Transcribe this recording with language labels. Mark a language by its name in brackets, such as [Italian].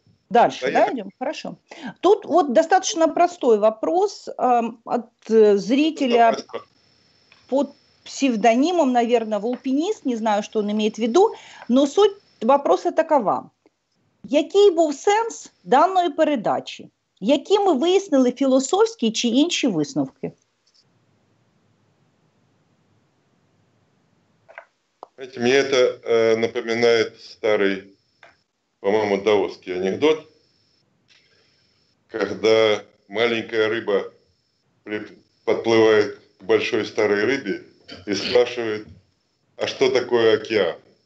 [Russian] Дальше, да, идем? Хорошо. Тут вот достаточно простой вопрос от зрителя под псевдонимом, наверное, Вулпинист, не знаю, что он имеет в виду, но суть вопроса такова. [Ukrainian] Який був сенс даної передачі? Які ми вияснили філософські чи інші висновки? [Russian] Знаете, мне это напоминает старый, по-моему, даосский анекдот, когда маленькая рыба подплывает к большой старой рыбе и спрашивает, а что такое океан?